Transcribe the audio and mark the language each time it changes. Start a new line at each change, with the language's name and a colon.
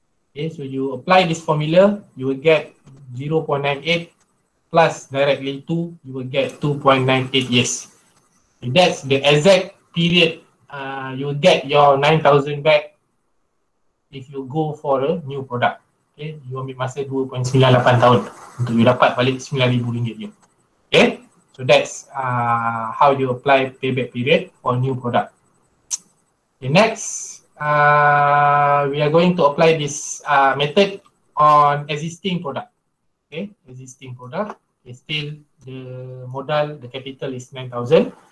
English: Okay, so you apply this formula, you will get 0.98 plus directly 2, you will get 2.98 years. That's the exact period you will get your 9,000 back if you go for a new product.
Malay: Okay, you ambil masa 2.98 tahun untuk you dapat balik RM9,000 je.
English: Okay, so that's how you apply payback period for new product. Okay, next, we are going to apply this method on existing product. Okay, existing product is still the modal, the capital is 9,000.